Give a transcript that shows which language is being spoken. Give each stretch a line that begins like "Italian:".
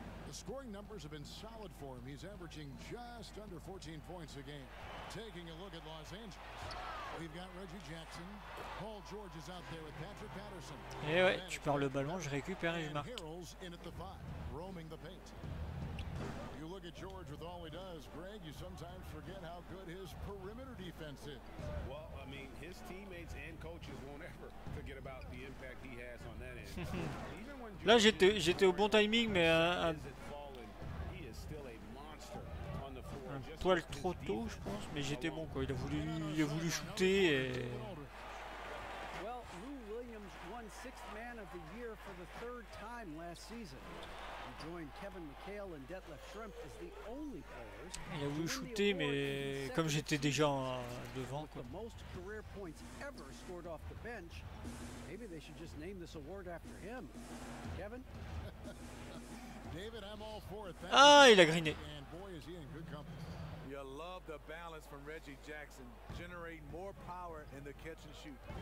English: The scoring numbers have been solid for him. He's averaging just under 14 points a game. Taking a look at Los Angeles. We've got Reggie Jackson. Paul George is out there with Patrick Patterson.
French: Et ouais, tu perds le ballon, je récupère et je marque.
English: Roaming the paint. You look at George with all he does, Greg, you sometimes forget how good his perimeter defense is. Well, I mean, his teammates and coaches won't ever forget about the impact he has on that end.
French: Là, j'étais au bon timing, mais un poil trop tôt, je pense. Mais j'étais bon, quoi. Il a voulu shooter et...
English: Well, Lou Williams won sixth man of the year for the third time last season. He joined Kevin McHale and Detlef Schrempf as the only players.
French: Il a voulu shooter, mais comme j'étais déjà devant, quoi.
English: The most career points ever scored off the bench. Maybe they should just name this award after him. Kevin? David, I'm all for it.
French: Ah, il a griné.
English: And boy, is he in good company. You love the balance from Reggie Jackson. Generate more power in the catch and shoot.